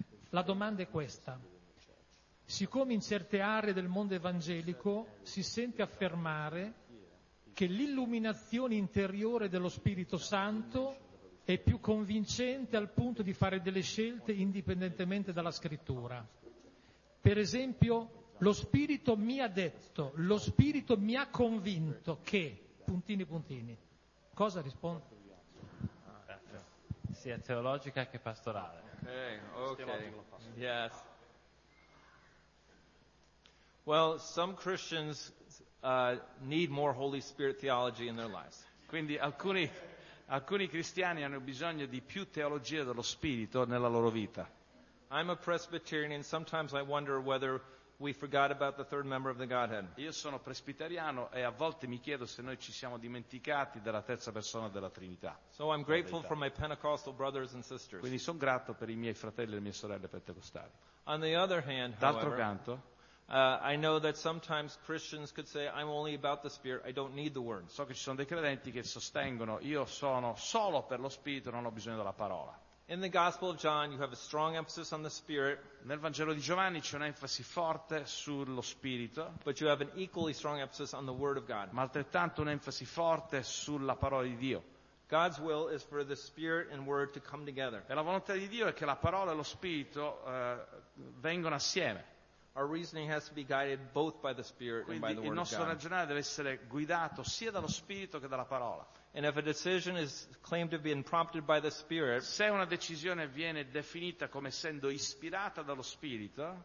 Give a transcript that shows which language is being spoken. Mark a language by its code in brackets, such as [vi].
[it] La domanda è questa. Siccome in certe aree del mondo evangelico si sente affermare che l'illuminazione interiore dello Spirito Santo è più convincente al punto di fare delle scelte indipendentemente dalla Scrittura. Per esempio, lo Spirito mi ha detto, lo Spirito mi ha convinto che... puntini, puntini. Cosa risponde? Sia teologica che pastorale. [en] Ok. Yes. Well, some Christians need more Holy Spirit theology in their lives. [it] Quindi alcuni cristiani hanno bisogno di più teologia dello Spirito nella loro vita. [en] I'm a Presbyterian, sometimes I wonder whether we forgot about the third member of the Godhead. [it] Io sono presbiteriano e a volte mi chiedo se noi ci siamo dimenticati della terza persona della Trinità. [en] So I'm grateful for my Pentecostal brothers and sisters. [it] Quindi sono grato per i miei fratelli e le mie sorelle pentecostali. [en] On the other hand, [it] d'altro canto, [en] I know that sometimes Christians could say, I'm only about the Spirit, I don't need the Word. [it] So che ci sono dei credenti che sostengono, io sono solo per lo Spirito, non ho bisogno della parola. [en] In the Gospel of John, you have a strong emphasis on the Spirit. [it] Nel Vangelo di Giovanni c'è un'enfasi forte sullo Spirito. [en] But you have an equally strong emphasis on the Word of God. [it] Ma altrettanto un'enfasi forte sulla parola di Dio. [en] God's will is for the Spirit and Word to come together. [it] E la volontà di Dio è che la parola e lo Spirito vengano assieme. [en] Our reasoning has to be guided both by the Spirit and by the Word [it] Quindi il nostro ragionare deve essere guidato sia dallo Spirito che dalla parola. [en] And if a decision is claimed to be prompted by the Spirit, [it] se una decisione viene definita come essendo ispirata dallo Spirito,